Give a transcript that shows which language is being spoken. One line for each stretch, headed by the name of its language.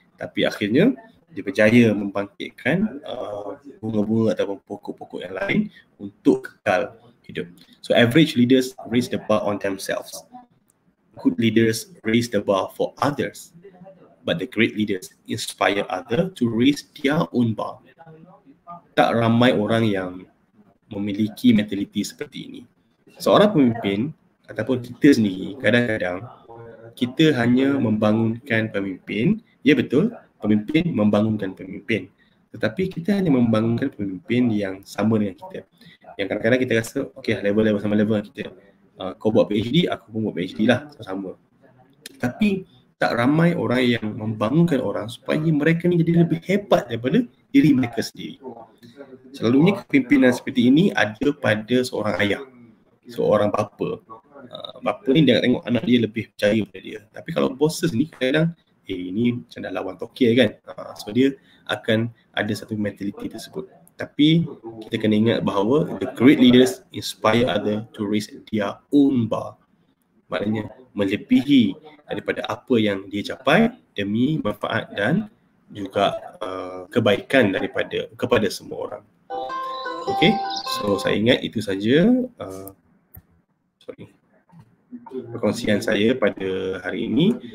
Malay: Tapi akhirnya dia berjaya membangkitkan bunga-bunga ataupun pokok-pokok yang lain untuk kekal hidup.
English: So average leaders raise the bar on themselves. Good leaders raise the bar for others. But the great leaders inspire others to raise their own bar.
Malay: Tak ramai orang yang memiliki mentaliti seperti ini. Seorang pemimpin ataupun kita sendiri, kadang-kadang kita hanya membangunkan pemimpin. Ya betul. Pemimpin membangunkan pemimpin. Tetapi kita hanya membangunkan pemimpin yang sama dengan kita. Yang kadang-kadang kita rasa, okay, level-level sama level kita. Kau buat PhD, aku pun buat PhD lah, sama-sama. Tapi tak ramai orang yang membangunkan orang supaya mereka ni jadi lebih hebat daripada diri mereka sendiri. Selalunya kepimpinan seperti ini ada pada seorang ayah, seorang bapa. Bapa ni dia tengok anak dia lebih percaya pada dia. Tapi kalau bosses ni kadang-kadang ini macam dah lawan Tokyo kan. So dia akan ada satu mentaliti tersebut. Tapi kita kena ingat bahawa
English: the great leaders inspire others to raise their own bar.
Malay: Maknanya melebihi daripada apa yang dia capai demi manfaat dan juga kebaikan daripada kepada semua orang. Okay, so saya ingat itu saja perkongsian saya pada hari ini.